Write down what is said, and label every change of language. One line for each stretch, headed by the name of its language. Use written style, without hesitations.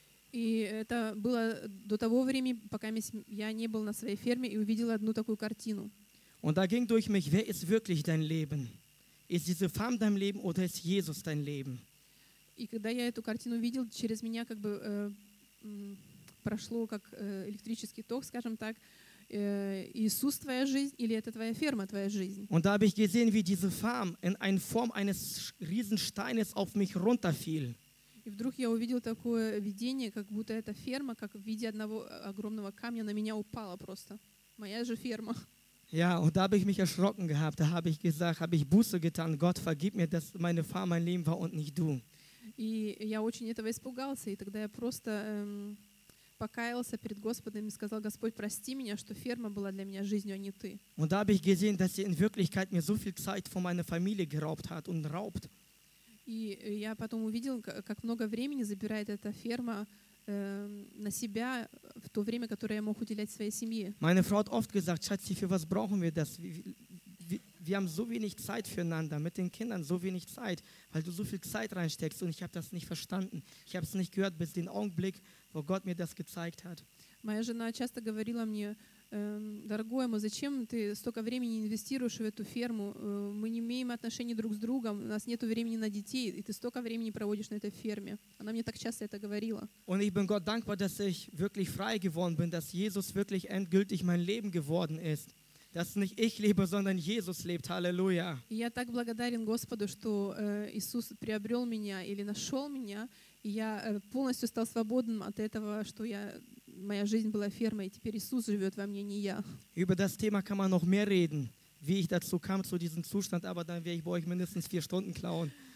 Russian: И это было до того времени, пока я не был на своей ферме и увидел одну такую картину.
German: Und da ging durch mich, wer ist wirklich dein Leben? Ist diese Farm dein Leben oder ist Jesus dein Leben?
Russian: И когда я эту картину видел, через меня как бы прошло как электрический ток, скажем так, Иисус твоя жизнь или это твоя ферма твоя жизнь?
German: Und da habe ich gesehen, wie diese Farm in einer Form eines Riesensteines auf mich runterfiel.
Russian: И вдруг я увидел такое видение, как будто эта ферма, как в виде одного огромного камня на меня упала просто. Моя же ферма.
German: Ja, und da habe ich mich erschrocken gehabt. Da habe ich gesagt, habe ich Buße getan. Gott, vergib mir, dass meine Farm mein Leben war und nicht du.
Russian: И я очень этого испугался, и тогда я просто покаялся перед Господом и сказал: Господь, прости меня, что ферма была для меня жизнью, а не ты.
German: Und da habe ich gesehen, dass sie in Wirklichkeit mir so viel Zeit von meiner Familie geraubt hat und raubt.
Russian: И я потом увидел, как много времени забирает эта ферма на себя в то время, которое я мог уделять своей семье.
German: Meine Frau hat oft gesagt: Schatzi, für was brauchen wir das? Wir haben so wenig Zeit füreinander, mit den Kindern so wenig Zeit, weil du so viel Zeit reinsteckst und ich habe das nicht verstanden. Ich habe es nicht gehört bis den Augenblick, wo Gott mir das gezeigt hat.
Russian: Моя жена часто говорила мне: дорогой, зачем ты столько времени инвестируешь в эту ферму? Мы не имеем отношений друг с другом, у нас нет времени на детей, и ты столько времени проводишь на этой ферме. Она мне так часто это говорила.
German: Und ich bin Gott dankbar, dass ich wirklich frei geworden bin, dass Jesus wirklich endgültig mein Leben geworden ist. Dass nicht ich lebe, sondern Jesus lebt. Halleluja.
Russian: Я так благодарен Господу, что Иисус приобрел меня или нашел меня, и я полностью стал свободным от этого, что я моя жизнь была фермой, и теперь Иисус живет во мне, не я.
German: Über das Thema kann man noch mehr reden, wie ich dazu kam zu diesem Zustand, aber dann werde ich bei euch mindestens 4 Stunden klauen.